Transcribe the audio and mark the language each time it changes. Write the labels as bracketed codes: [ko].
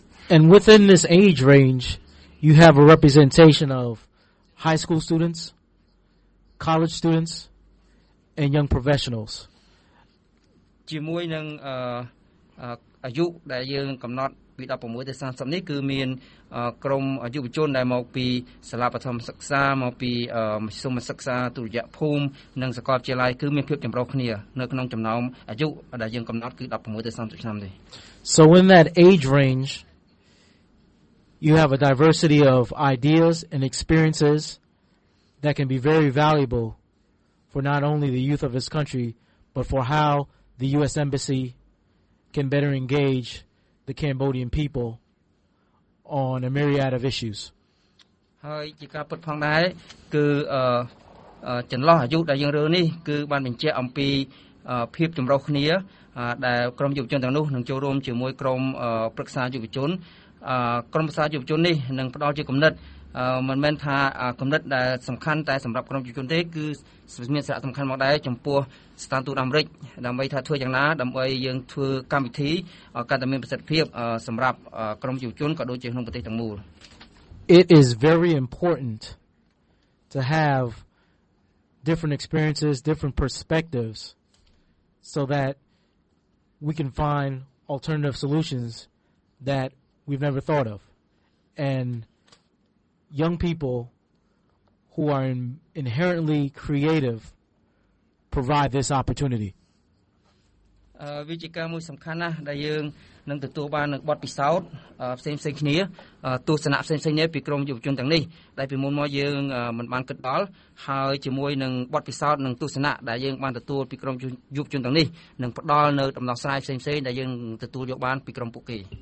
[en] And within this age range you have a representation of high school students college students and young professionals [km] ជាមួយនឹងអាយុដែលយើងកំណត់ពី16ទៅ30នេះគឺមានក្រុមយុវជនដែលមកពីសាលាបឋមសិក្សាមកពីមជ្ឈមណ្ឌលសិក្សាទុតិយភូមិនិងសាកលវិទ្យាល័យគឺមានភាពចម្រុះគ្នានៅក្នុងចំណោមអាយុដែលយើងកំណត់គឺ16ទៅ30ឆ្នាំនេះ [en] So in that age range you have a diversity of ideas and experiences that can be very valuable for not only the youth of this country but for how the US embassy can better engage the Cambodian people on a myriad of issues [km] ហើយជាការពិតផងដែរគឺចន្លោះអាយុដែលយើងរើនេះគឺបានបញ្ជាក់អំពីភាពចម្រុះគ្នាដែលក្រុមយុវជនទាំងនោះនឹងចូលរួមជាមួយក្រុមប្រឹក្សាយុវជនក្រុមប្រឹក្សាយុវជននេះនឹងផ្ដល់ជាគំនិតមិនមែនថាគំនិតដែលសំខាន់តែសម្រាប់ក្រុមយុវជនទេគឺមានសារៈសំខាន់មកដែរចំពោះស្ថានទូតអាមេរិកដើម្បីថាធ្វើយ៉ាងណាដើម្បីយើងធ្វើកម្មវិធីកាន់តែមានប្រសិទ្ធភាពសម្រាប់ក្រុមយុវជនក៏ដូចជាក្នុងប្រទេសទាំងមូល [en] It is very important to have different experiences different perspectives so that we can find alternative solutions thatWe've never thought of, and young people who are inherently creative provide this opportunity. [km] វិជាការមួយសំខាន់ណាស់ដែលយើងនឹងទទួលបាននូវបទពិសោធន៍ផ្សេងផ្សេងគ្នាទស្សនៈផ្សេងផ្សេងគ្នាពីក្រុមយុវជនទាំងនេះដែលពីមុនមកយើងមិនបានគិតដល់ហើយជាមួយនឹងបទពិសោធន៍និងទស្សនៈដែលយើងបានទទួលពីក្រុមយុវជនទាំងនេះនឹងផ្ដល់នូវដំណោះស្រាយផ្សេងផ្សេងដែលយើងទទួលយកបានពីក្រុមពួកគេ